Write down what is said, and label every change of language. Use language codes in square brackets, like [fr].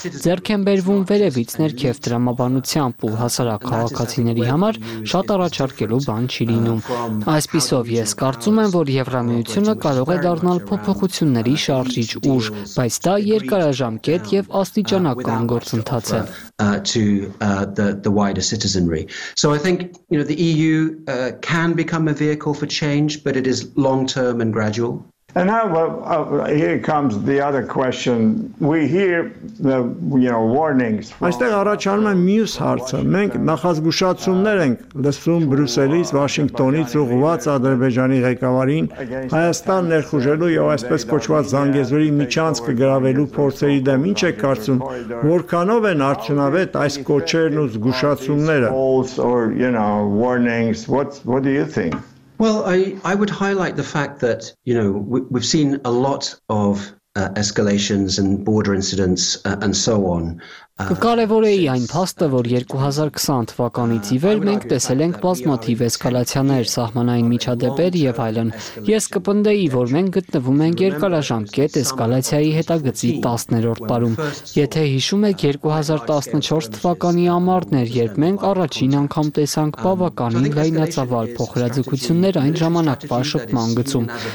[hy] ձեռք են բերվում վերևից ներքև դրամաբանությամբ ու հասարակ քաղաքացիների համար շատ առաջարկելու բան չի լինում։ Այսպիսով ես կարծում եմ, որ Եվրամիությունը կարող է դառնալ փոփոխությունների շարժիչ ուժ, բայց դա երկարաժամկետ և աստիճանական գործընթաց է։ [en] To the wider citizenry. So I think, you know, the EU can become a vehicle for change, but it is long-term and gradual. And now here comes the other question. We hear the, you know, warnings. [hy] Այստեղ առաջանում է մյուս հարցը։ Մենք նախազգուշացումներ ենք լսում Բրյուսելից, Վաշինգտոնից ուղղված Ադրբեջանի ղեկավարին Հայաստան ներխուժելու եւ այսպես կոչված Զանգեզուրի միջանց կգրավելու փորձերի դեմ։ Ինչ է կարծում, որքանով են արդյունավետ այս կոչերն ու զգուշացումները? [en] What do you think? Well, I would highlight the fact that, you know, we've seen a lot of escalations and border incidents and so on. [hy] Կարևոր է այն փաստը, որ 2020 թվականից ի վեր մենք տեսել ենք բազմաթիվ էսկալացիաներ, սահմանային միջադեպեր եւ այլն։ Ես կպնդեի, որ մենք գտնվում ենք երկարաժամկետ էսկալացիայի հետագծի 10-րդ տարում։ Եթե հիշում եք 2014 թվականի ամառներ, երբ մենք առաջին անգամ տեսանք բավականին լայնածավալ փոխհրաձգություններ այն ժամանակվա շփման գծում,